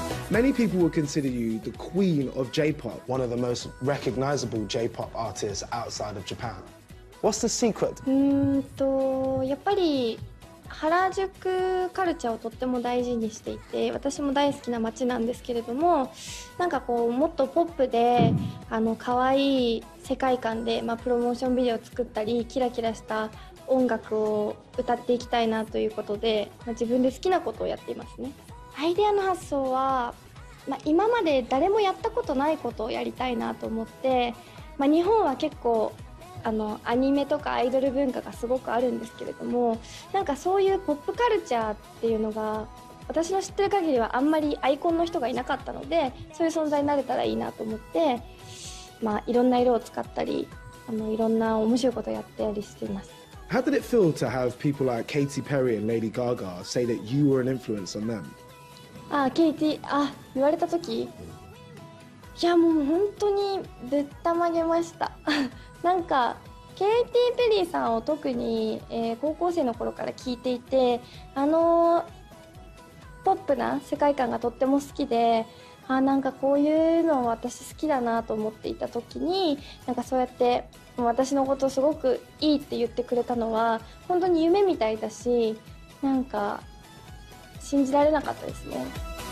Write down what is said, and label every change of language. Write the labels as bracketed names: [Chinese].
[English] Many people would consider you the queen of J-pop, one of the most recognizable J-pop artists outside of Japan. What's the secret? [Japanese] 原宿カルチャーをとっても大事にしていて、私も大好きな街なんですけれども、なんかこうもっとポップで、可愛い世界観で、プロモーションビデオを作ったり、キラキラした音楽を歌っていきたいなということで、自分で好きなことをやっていますね。アイデアの発想は、今まで誰もやったことないことをやりたいなと思って、日本は結構あのアニメとかアイドル文化がすごくあるんですけれども、なんかそういうポップカルチャーっていうのが私の知ってる限りはあんまりアイコンの人がいなかったので、そういう存在になれたらいいなと思って、まあいろんな色を使ったり、あのいろんな面白いことをやったりしています。 [English] How did it feel to have people like Katy Perry and Lady Gaga say that you were an influence on them? [Japanese] ケイティ、言われた時、いやもう本当にぶったまげました。なんかケイティ・ペリーさんを特に、高校生の頃から聞いていて、あのポップな世界観がとっても好きで、あなんかこういうの私好きだなと思っていた時に、なんかそうやって私のことすごくいいって言ってくれたのは本当に夢みたいだし、なんか信じられなかったですね。